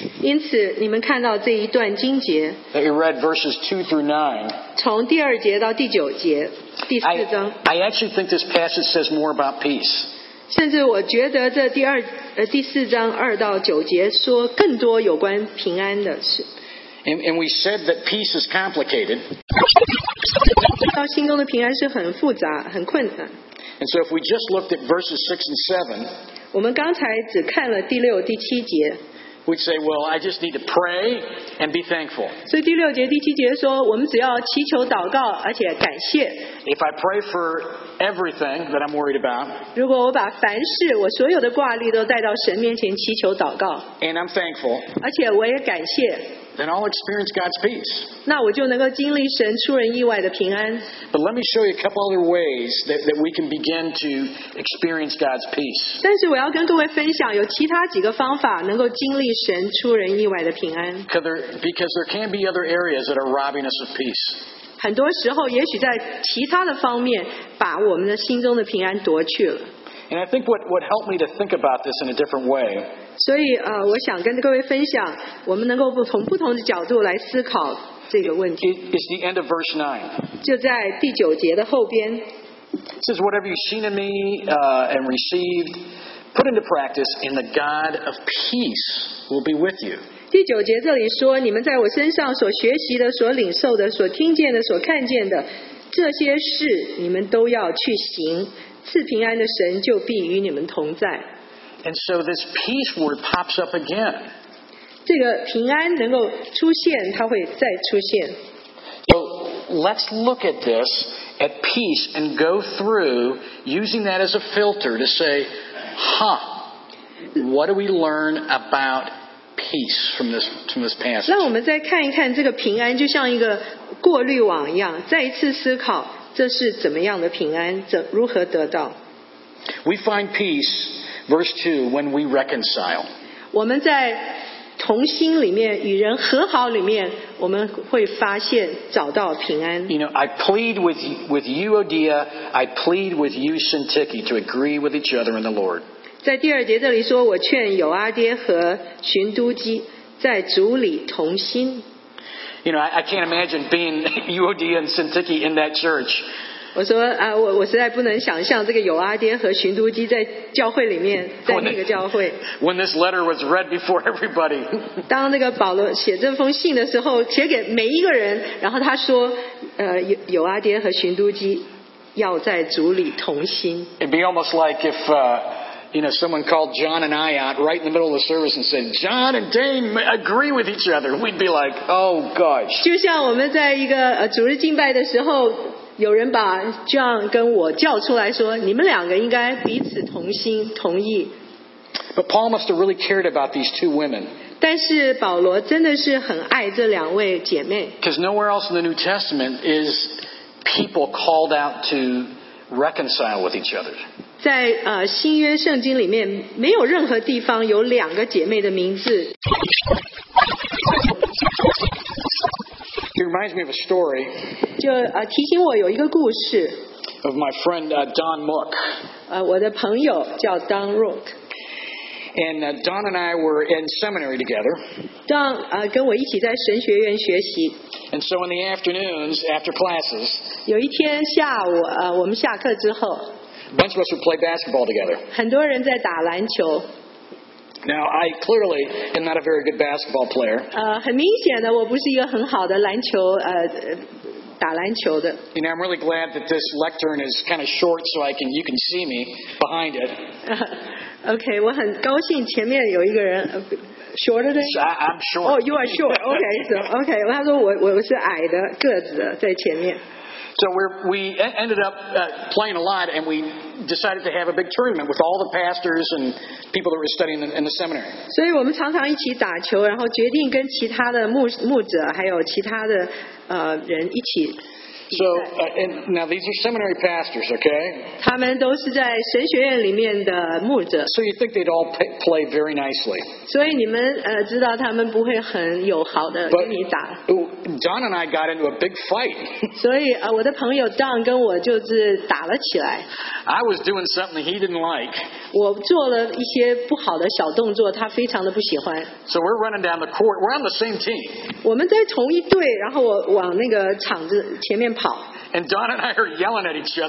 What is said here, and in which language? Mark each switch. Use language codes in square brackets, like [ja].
[zh] 因此你们看到这一段经节， [en] that you read verses 2-9, [zh] 从第二节到第九节，第四章。 [en] I actually think this passage says more about peace. [zh] 甚至我觉得这第四章二到九节说更多有关平安的事。 [en] And we said that peace is complicated. [zh] 到心中的平安是很复杂，很困难。 [en] And so if we just looked at verses 6-7, [zh] 我们刚才只看了第六、第七节。 [en] We'd say, well, I just need to pray and be thankful. [zh] 所以第六节、第七节说，我们只要祈求祷告，而且感谢。 [en] If I pray for everything that I'm worried about, [zh] 如果我把凡事、我所有的挂虑都带到神面前祈求祷告， [en] and I'm thankful, [zh] 而且我也感谢， [en] then I'll experience God's peace. [zh] 那我就能够经历神出人意外的平安。 [en] But let me show you a couple other ways that we can begin to experience God's peace. [zh] 但是我要跟各位分享有其他几个方法能够经历神出人意外的平安。 [en] Because there can be other areas that are robbing us of peace. [zh] 很多时候也许在其他的方面把我们的心中的平安夺去了。 [en] And I think what helped me to think about this in a different way, [zh] 所以我想跟各位分享我们能够从不同的角度来思考这个问题。 [en] It's the end of verse 9. [zh] 就在第九节的后边。 [en] It says, whatever you've seen in me, and received, put into practice, and the God of peace will be with you. [zh] 第九节这里说，你们在我身上所学习的、所领受的、所听见的、所看见的这些事，你们都要去行，赐平安的神就必与你们同在。 [en] And so this peace word pops up again. [zh] 这个平安能够出现，它会再出现。 [en] So let's look at this at peace and go through using that as a filter to say, huh, what do we learn about? Peace from this passage. [zh] 让我们再看一看这个平安，就像一个过滤网一样，再一次思考这是怎么样的平安，怎如何得到。 [en] We find peace, verse 2, when we reconcile. [zh] 我们在同心里面与人和好里面，我们会发现找到平安。 [en] You know, I plead with you, Odia. I plead with you, Syntyche, to agree with each other in the Lord. [zh] 在第二节这里说，我劝有阿爹和寻都基在主里同心。 [en] You know, I can't imagine being UOD and Syntyche in that church. [zh] 我说啊，我实在不能想象这个有阿爹和寻都基在教会里面，在那个教会。 [en] When this letter was read before everybody. [zh] 当那个保罗写这封信的时候，写给每一个人，然后他说，有阿爹和寻都基要在主里同心。 [en] It'd be almost like if. You know, someone called John and I out right in the middle of the service and said, John and Dane agree with each other. We'd be like, oh gosh. [zh] 就像我们在一个主日敬拜的时候，有人把 John 跟我叫出来说，你们两个应该彼此同心同意。 [en] But Paul must have really cared about these two women. [zh] 但是保罗真的是很爱这两位姐妹。 [en] Because nowhere else in the New Testament is people called out to reconcile with each other. [zh] 在新约圣经里面，没有任何地方有两个姐妹的名字。 [en] It reminds me of a story. [zh] 就提醒我有一个故事。 [en] Of my friend Don Mook. [zh] 我的朋友叫 Don Rook. [en] And Don and I were in seminary together. [zh] Don 跟我一起在神学院学习。 [en] And so in the afternoons after classes. [zh] 有一天下午我们下课之后。 [en] A bunch of us would play basketball together. [zh] 很多人在打篮球。 [en] Now, I clearly am not a very good basketball player. [zh] 很明显的，我不是一个很好的篮球打篮球的。 [en] You know, I'm really glad that this lectern is kind of short, so you can see me behind it. [zh] Okay, 我很高兴前面有一个人。 [en] Shorter than? I'm short. Oh, you are short. Okay, so okay. [zh] 他说我是矮的个子的在前面。 [en] So we ended up playing a lot, and we decided to have a big tournament with all the pastors and people that were studying in the seminary. [zh] 所以我们常常一起打球，然后决定跟其他的牧者还有其他的人一起。 [en] So and now these are seminary pastors, okay? [zh] 他们都是在神学院里面的牧者。 [en] So you think they'd all play very nicely? [zh] 所以你们知道他们不会很友好的跟你打。 [en] Don and I got into a big fight. [zh] 所以我的朋友 Don 跟我就是打了起来。 [en] I was doing something he didn't like. [zh] 我做了一些不好的小动作，他非常的不喜欢。 [en] So we're running down the court. We're on the same team. [zh] 我们在同一队，然后我往那个场子前面。 [en] And Don and I are yelling at each other.